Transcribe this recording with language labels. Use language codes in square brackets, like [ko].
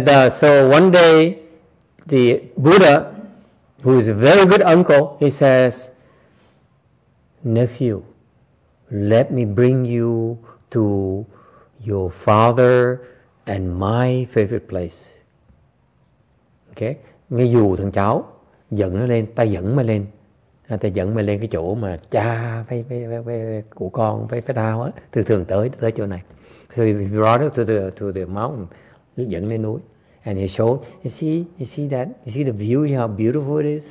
[en] So one day, the Buddha, who is a very good uncle, he says, nephew, let me bring you to your father and my favorite place. Okay? [vi] Nghe dù thằng cháu, dẫn nó lên, ta dẫn mày lên. Ta dẫn mày lên cái chỗ mà cha của con với tao á, thường tới chỗ này. [en] So he brought it to the mountain, [vi] dẫn lên núi. [en] And he showed, you see that, you see the view, how beautiful it is.